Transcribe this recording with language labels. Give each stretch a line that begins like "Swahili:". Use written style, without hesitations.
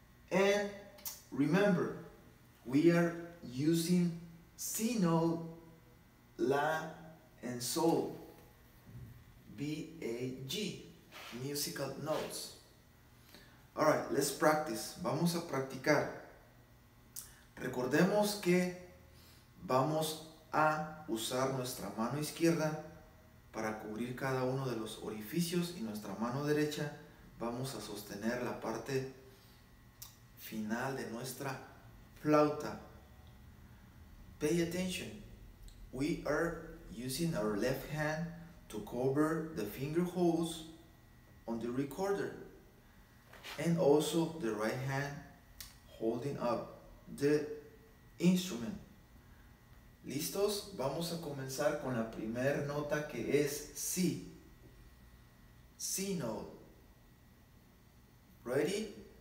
English: And remember, we are using C note, La, and Sol, B, A, G, musical notes. All right, let's practice.
Spanish: Vamos a practicar. Recordemos que vamos a usar nuestra mano izquierda para cubrir cada uno de los orificios y nuestra mano derecha vamos a sostener la parte final de nuestra flauta.
English: Pay attention. We are using our left hand to cover the finger holes on the recorder and also the right hand holding up the instrument.
Spanish: ¿Listos? Vamos a comenzar con la primera nota que es Si.
English: Si note. Ready?